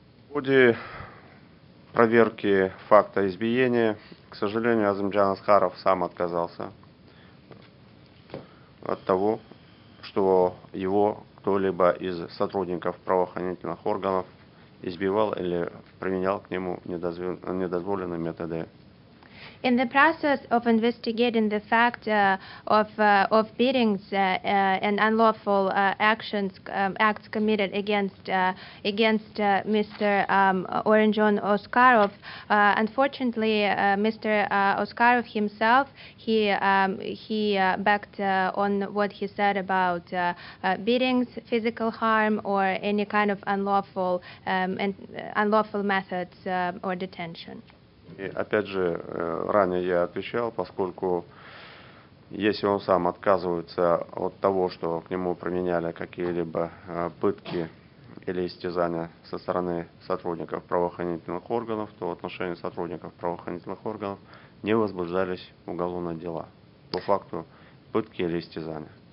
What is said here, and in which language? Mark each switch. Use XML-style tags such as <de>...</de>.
<ru>В ходе проверки факта избиения, к сожалению, Азимжан Аскаров сам отказался от того, что его кто-либо из сотрудников правоохранительных органов избивал или применял к нему недозволенные методы.</ru> <en>In the process of investigating the fact of beatings and unlawful actions acts committed against Mr. Orenjon Oskarov, unfortunately, Mr. Oskarov himself he backed on what he said about beatings, physical harm, or any kind of unlawful methods or detention.</en> <ru>И опять же, ранее я отвечал, поскольку если он сам отказывается от того, что к нему применяли какие-либо пытки или истязания со стороны сотрудников правоохранительных органов, то в отношении сотрудников правоохранительных органов не возбуждались уголовные дела по факту пытки или истязания.</ru>